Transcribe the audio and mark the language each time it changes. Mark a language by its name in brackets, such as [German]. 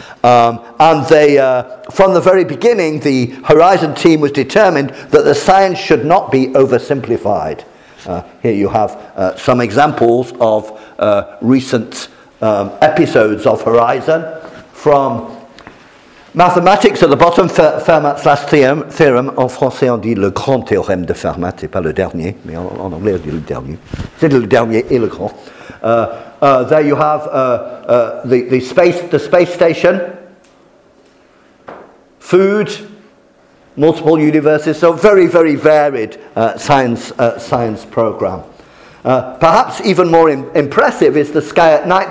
[English] And they, from the very beginning, the Horizon team was determined that the science should not be oversimplified. Here you have some examples of recent episodes of Horizon, from mathematics at the bottom, Fermat's last theorem. [French] En français, on dit le grand théorème de Fermat, et pas le dernier, mais en anglais, on dit le dernier. C'est le dernier et le grand. [English] There you have the space station, food, multiple universes. So very, very varied science program. Perhaps even more impressive is the Sky at Night.